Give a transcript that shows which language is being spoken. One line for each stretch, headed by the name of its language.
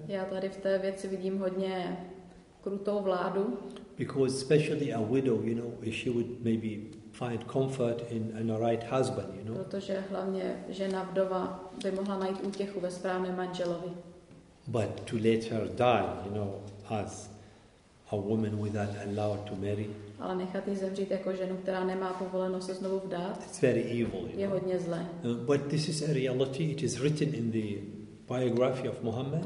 Czech: Já tady v té věci vidím hodně krutou vládu.
English: Because especially a widow, you know, if she would maybe find comfort in a right husband, you know.
Czech: Protože hlavně žena vdova by mohla najít útěchu ve správném manželovi.
English: But to let her die, you know, as a woman without allowed to marry.
Czech: Ale nechat ji zemřít jako ženu, která nemá povoleno se znovu vdát.
English: It's very evil,
Czech: je hodně zlé.
English: But this is a reality. It is written in the biography of Muhammad.